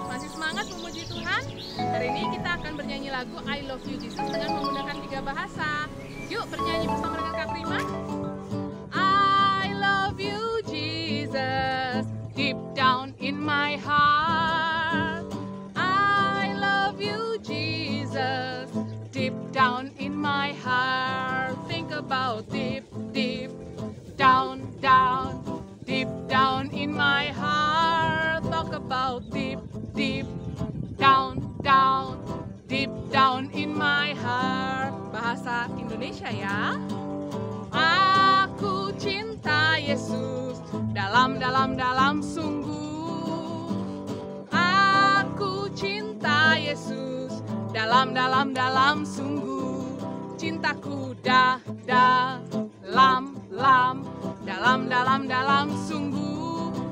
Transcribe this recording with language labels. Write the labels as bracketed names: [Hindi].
[Indonesian] Masih semangat memuji Tuhan? Hari ini kita akan bernyanyi lagu I Love You Jesus dengan menggunakan 3 bahasa. Yuk bernyanyi bersama dengan Kak Prima. [English] I love you Jesus, deep down in my heart. I love you Jesus, deep down in my heart. Think about deep, deep, down, down, deep down in my heart. Talk about deep, deep, down, down, deep down in my heart. [Indonesian] Bahasa Indonesia ya. Aku cinta Yesus dalam, dalam, dalam sungguh. Aku cinta Yesus dalam, dalam, dalam sungguh. Cintaku dah, dah, lam, lam, dalam, dalam, dalam sungguh.